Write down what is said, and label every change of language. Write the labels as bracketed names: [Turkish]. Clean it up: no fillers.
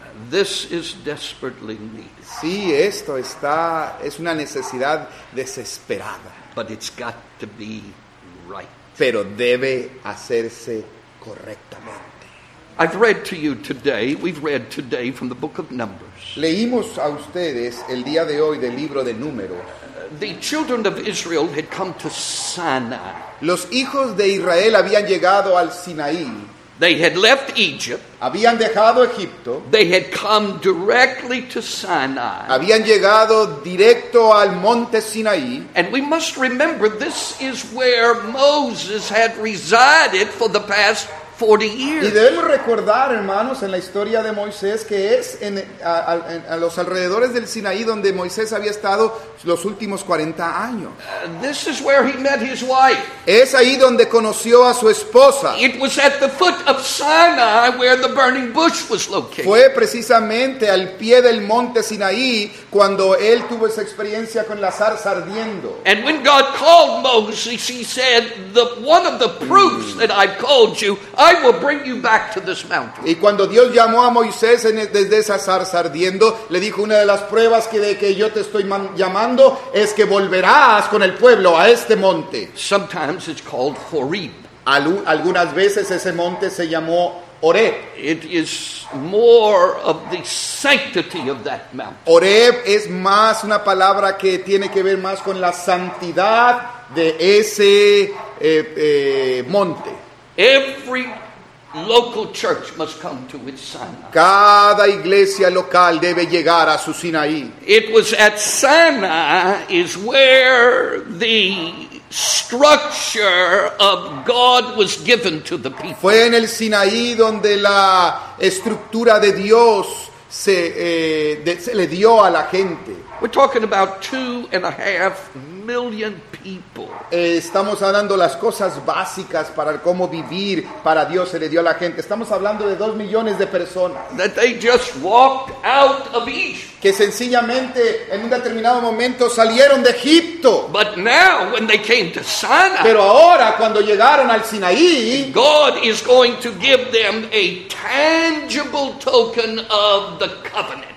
[English] This is desperately needed. [Spanish] Sí, esto está, es una necesidad desesperada. [English] But it's got to be right. [Spanish] Pero debe hacerse correctamente. [English] I've read to you today, we've read today from the book of Numbers. [Spanish] Leímos a ustedes el día de hoy del libro de Números. [English] The children of Israel had come to Sinai. [Spanish] Los hijos de Israel habían llegado al Sinaí. [English] They had left Egypt. [Spanish] Habían dejado Egipto. [English] They had come directly to Sinai. [Spanish] Habían llegado directo al monte Sinaí. [English] And we must remember this is where Moses had resided for the past 40 years. [Spanish] Y debemos recordar, hermanos, en la historia de Moisés, que es en a los alrededores del Sinaí donde Moisés había estado los últimos 40 años. [English] This is where he met his wife. [Spanish] Es ahí donde conoció a su esposa. [English] It was at the foot of Sinai where the burning bush was located. [Spanish] Fue precisamente al pie del monte Sinaí cuando él tuvo esa experiencia con la zarza ardiendo. [English] And when God called Moses, he said, one of the proofs that I've called you, I will bring you back to this mountain. [Spanish] Y cuando Dios llamó a Moisés desde esa zarza ardiendo, le dijo, una de las pruebas que yo te estoy llamando es que volverás con el pueblo a este monte. [English] Sometimes it's called Horeb. [Spanish] Algunas veces ese monte se llamó Horeb. [English] It is more of the sanctity of that mountain. [Spanish] Horeb es más una palabra que tiene que ver más con la santidad de ese monte. [English] Every local church must come to its Sinai. [Spanish] Cada iglesia local debe llegar a su Sinaí. [English] It was at Sinai is where the structure of God was given to the people. [Spanish] Fue en el Sinaí donde la estructura de Dios se le dio a la gente. [English] We're talking about 2.5 million people. [Spanish] Estamos hablando las cosas básicas para cómo vivir para Dios se le dio a la gente. Estamos hablando de 2 millones de personas. [English] That they just walked out of Egypt. [Spanish] Que sencillamente en un determinado momento salieron de Egipto. [English] But now, when they came to Sinai, [Spanish] pero ahora cuando llegaron al Sinaí, [English] God is going to give them a tangible token of the covenant.